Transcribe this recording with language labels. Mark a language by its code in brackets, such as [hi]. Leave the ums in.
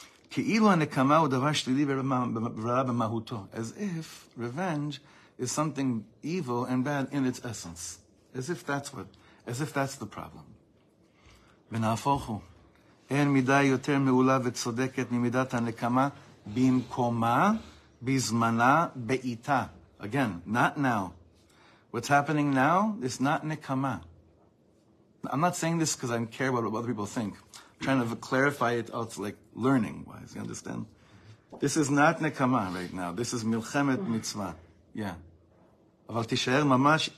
[he] כאילו הנקמה הוא דבר שלילי ורע במהותו. [en] As if revenge is something evil and bad in its essence. As if that's what, as if that's the problem. [he] ונהפוך הוא, אין מידה יותר מעולה וצודקת ממידת הנקמה במקומה, בזמנה, בעיתה. [en] Again, not now. What's happening now is not nekama. I'm not saying this because I care about what other people think. I'm trying to clarify it out, like learning wise. You understand? This is not nekama right now. This is milchemet mitzvah. Yeah. [he] אבל תישאר ממש